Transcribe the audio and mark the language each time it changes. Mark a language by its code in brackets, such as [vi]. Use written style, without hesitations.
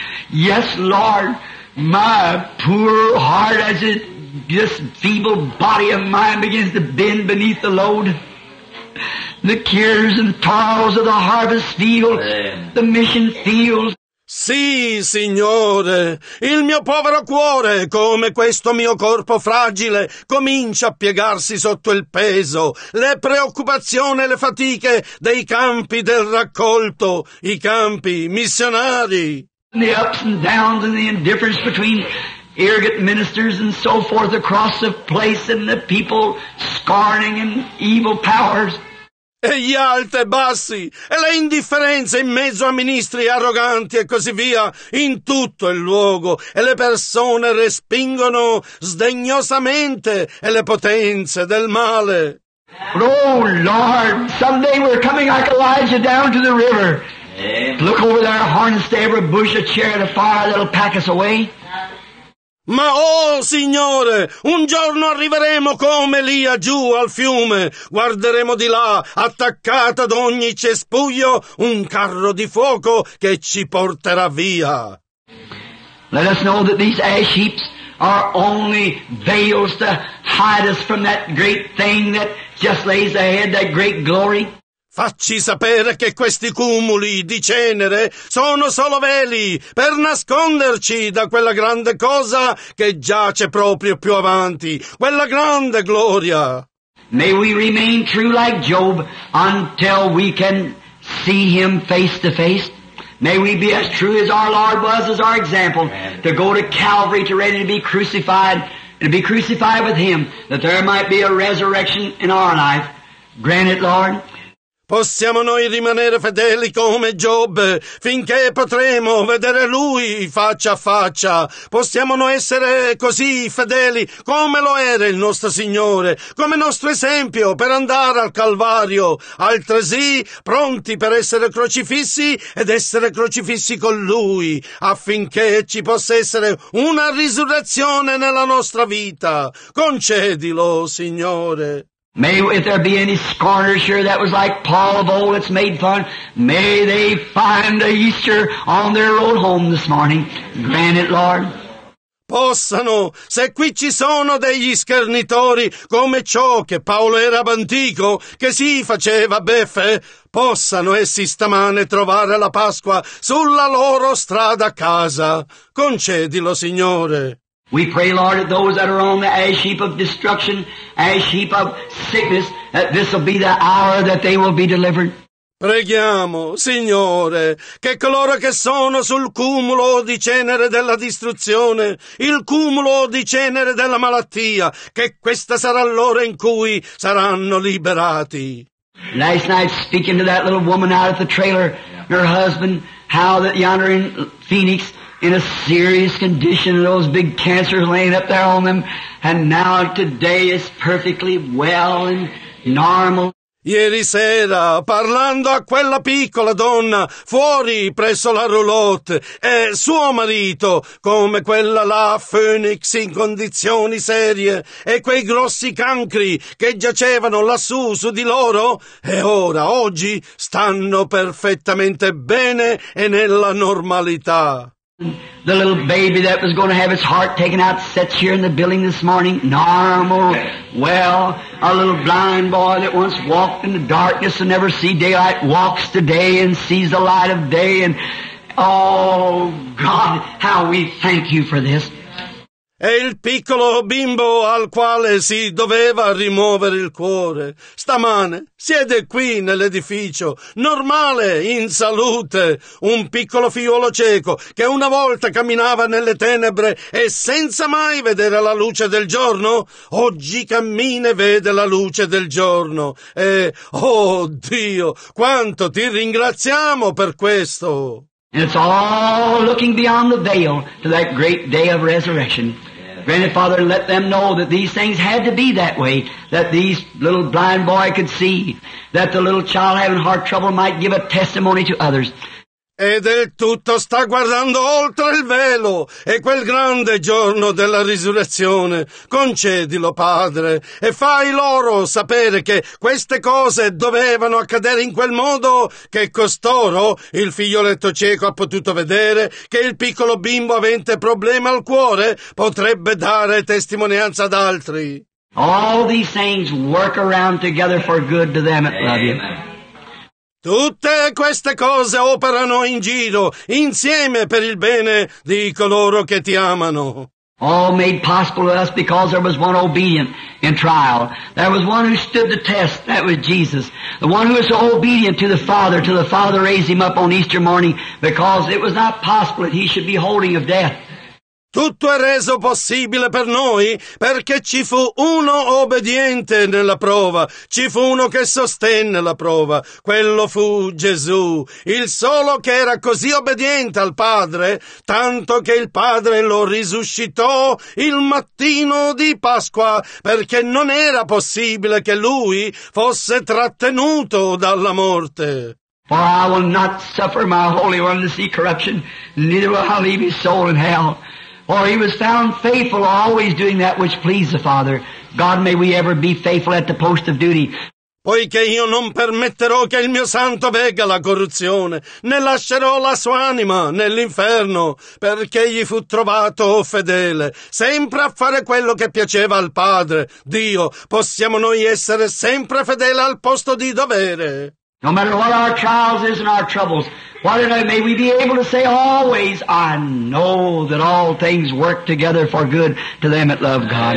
[en] Yes, Lord, my poor heart as it, this feeble body of mine begins to bend beneath the load. The cares and toils of the harvest field, the mission fields. [it] Sì, Signore, il mio povero cuore, come questo mio corpo fragile, comincia a piegarsi sotto il peso, le preoccupazioni e le fatiche dei campi del raccolto, i campi missionari. [en] The ups and downs and the indifference between arrogant ministers and so forth across the place and the people scorning and evil powers. [it] E gli alti e bassi, e le indifferenze in mezzo a ministri arroganti e così via, in tutto il luogo, e le persone respingono sdegnosamente e le potenze del male. [en] Oh Lord, someday we're coming like Elijah down to the river. Look over there, harnessed to every bush, a chariot of fire that'll pack us away. [it] Ma oh Signore, un giorno arriveremo come Elia giù al fiume, guarderemo di là, attaccata ad ogni cespuglio, un carro di fuoco che ci porterà via. [en] Let us know that these ash heaps are only veils to hide us from that great thing that just lays ahead, that great glory. [it] Facci sapere che questi cumuli di cenere sono solo veli per nasconderci da quella grande cosa che giace proprio più avanti, quella grande gloria. [en] May we remain true like Job until we can see him face to face. May we be as true as our Lord was as our example, to go to Calvary to ready to be crucified, and to be crucified with him, that there might be a resurrection in our life. Grant it, Lord. [it] Possiamo noi rimanere fedeli come Giobbe finché potremo vedere lui faccia a faccia. Possiamo noi essere così fedeli come lo era il nostro Signore, come nostro esempio per andare al Calvario, altresì pronti per essere crocifissi ed essere crocifissi con lui, affinché ci possa essere una risurrezione nella nostra vita. Concedilo, Signore. [en] May if there be any scorners here that was like Paul of old that's made fun, may they find a Easter on their road home this morning. Grant it, Lord. [it] Possano, se qui ci sono degli schernitori come ciò che Paolo era antico, che si faceva beffe, possano essi stamane trovare la Pasqua sulla loro strada a casa. Concedilo, Signore. [en] We pray, Lord, that those that are on the ash heap of destruction, ash heap of sickness, that this will be the hour that they will be delivered. [it] Preghiamo, Signore, che coloro che sono sul cumulo di cenere della distruzione, il cumulo di cenere della malattia, che questa sarà l'ora in cui saranno liberati. [en] Last night, speaking to that little woman out at the trailer, her husband, how that yonder in Phoenix, in a serious condition, those big cancers laying up there on them, and now today is perfectly well and normal. [it] Ieri sera, parlando a quella piccola donna fuori presso la roulotte, e suo marito, come quella là, Phoenix, in condizioni serie, e quei grossi cancri che giacevano lassù su di loro, e ora, oggi, stanno perfettamente bene e nella normalità. [en] The little baby that was going to have its heart taken out sits here in the building this morning, normal, well. A little blind boy that once walked in the darkness and never see daylight walks today and sees the light of day. And oh, God, how we thank you for this. [it] E il piccolo bimbo al quale si doveva rimuovere il cuore, stamane siede qui nell'edificio, normale, in salute, un piccolo figliolo cieco che una volta camminava nelle tenebre e senza mai vedere la luce del giorno, oggi cammina e vede la luce del giorno. E, oh Dio, quanto ti ringraziamo per questo! [en] And it's all looking beyond the veil to that great day of resurrection. Grandfather, let them know that these things had to be that way, that these little blind boy could see, that the little child having heart trouble might give a testimony to others. [it] Ed il tutto sta guardando oltre il velo, e quel grande giorno della risurrezione, concedilo, Padre, e fai loro sapere che queste cose dovevano accadere in quel modo, che costoro il figlioletto cieco ha potuto vedere, che il piccolo bimbo avente problema al cuore potrebbe dare testimonianza ad altri. [en] All these things work around together for good to them that love you. [it] Tutte queste cose operano in giro, insieme per il bene di coloro che ti amano. [en] All made possible to us because there was one obedient in trial. There was one who stood the test, that was Jesus. The one who was so obedient to the Father, till the Father raised him up on Easter morning, because it was not possible that he should be holding of death. [it] Tutto è reso possibile per noi perché ci fu uno obbediente nella prova, ci fu uno che sostenne la prova, quello fu Gesù, il solo che era così obbediente al Padre, tanto che il Padre lo risuscitò il mattino di Pasqua, perché non era possibile che lui fosse trattenuto dalla morte. [en] For I will not suffer my Holy One to see corruption, neither will I leave his soul in hell. For he was found faithful, always doing that which pleased the Father. God, may we ever be faithful at the post of duty. [it] Poiché io non permetterò che il mio santo vegga la corruzione, né lascerò la sua anima nell'inferno, perché gli fu trovato fedele, sempre a fare quello che piaceva al Padre. Dio, possiamo noi essere sempre fedeli al posto di dovere? [en] No matter what our trials is and our troubles, may we be able to say always, I know that all things work together for good to them that love God.